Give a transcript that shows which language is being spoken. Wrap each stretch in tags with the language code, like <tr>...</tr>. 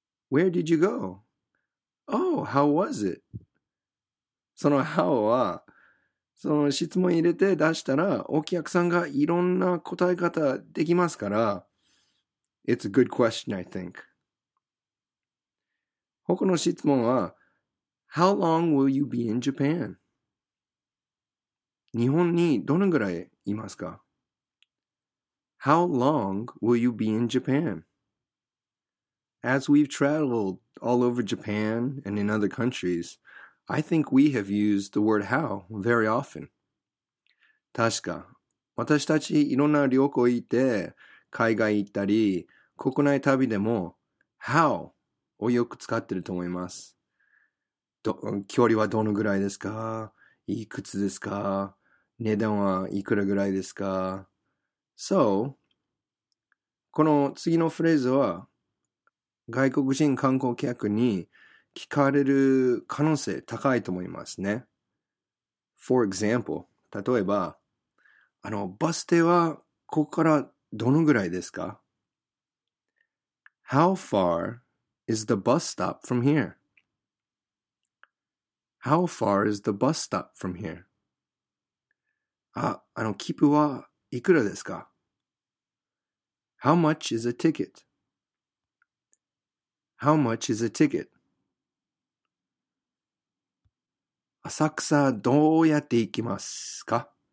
<en>Where did you go? Oh, how was it?</en> <ja>その how は、その質問入れて出したら、お客さんがいろんな答え方できますから、</ja> <en>It's a good question, I think.</en> <ja>他の質問は、</ja> <en>How long will you be in Japan?</en> <ja>日本にどのぐらいいますか?</ja> <en>How long will you be in Japan? As we've traveled all over Japan and in other countries, I think we have used the word how very often.</en> <ja>確か、私たちいろんな旅行行って、海外行ったり、国内旅でも、how をよく使ってると思います。距離はどのぐらいですか?いくつですか? 値段はいくらぐらいですか? So, この次のフレーズは、外国人観光客に聞かれる可能性高いと思いますね。</ja> <en>For example,</en> <ja>例えば、あのバス停はここからどのぐらいですか?</ja> <en>How far is the bus stop from here? How far is the bus stop from here?</en> <ja>あの切符はいくらですか?</ja> <en>How much is a ticket? How much is a ticket?</en> <ja>浅草どうやって行きますか?</ja>